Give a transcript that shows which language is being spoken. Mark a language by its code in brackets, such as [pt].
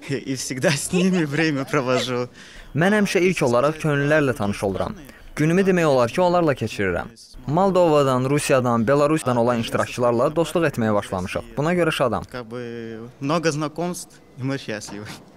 [ru] И всегда с ними время провожу. [az] Mən həmişə ilk olaraq könüllərlə tanış oluram. Günümü demək olar ki, onlarla keçirirəm. Moldovadan, Rusiyadan, Belarusdan olan iştirakçılarla dostluq etməyə başlamışıq. Buna görə şadam. [ru] Много знакомств, и мы счастливы.